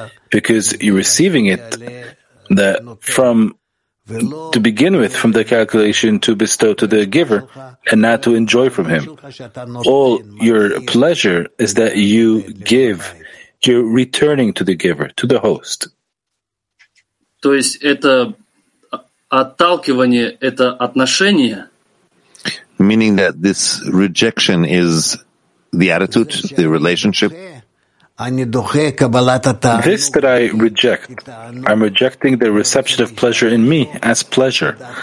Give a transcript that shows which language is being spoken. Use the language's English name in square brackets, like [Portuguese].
[English] Because you're receiving it that from to begin with, from the calculation to bestow to the giver and not to enjoy from him. All your pleasure is that you give, you're returning to the giver, to the host. [Russian] То есть это отталкивание, это отношение? [English] Meaning that this rejection is the attitude, the relationship? This that I reject, I'm rejecting the reception of pleasure in me as pleasure.